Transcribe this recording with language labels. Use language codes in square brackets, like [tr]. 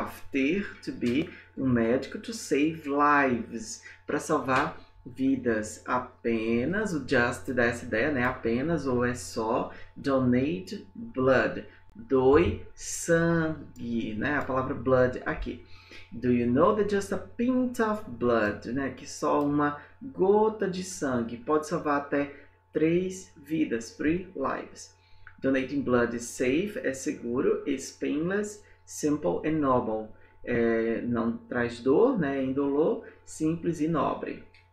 [pt] Ter to be um médico [en] to save lives, [pt] para salvar vidas. Apenas, o just dá essa ideia, né? Apenas ou é só [en] donate blood, [pt] doe sangue, né? A palavra blood aqui. [en] Do you know that just a pint of blood, né? [pt] Que só uma gota de sangue pode salvar até três vidas, [en] three lives. Donating blood is safe, [pt] é seguro, [en] is painless, simple and noble. [pt] É, não traz dor, né? Indolor, simples e nobre.